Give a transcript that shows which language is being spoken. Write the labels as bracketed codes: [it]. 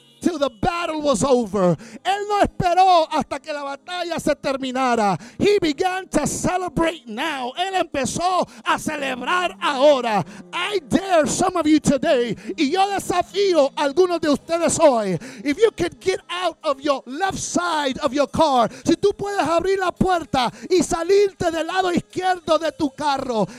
[en] till the battle was over. [es] Él no esperó hasta que la batalla se terminara. [en] He began to celebrate now. [es] Él empezó a celebrar ahora. [en] I dare some of you today. [es] Y yo desafío a algunos de ustedes hoy. [en] If you could get out of your left side of your car. [es] Si tú puedes abrir la puerta y salirte del lado izquierdo de tu carro.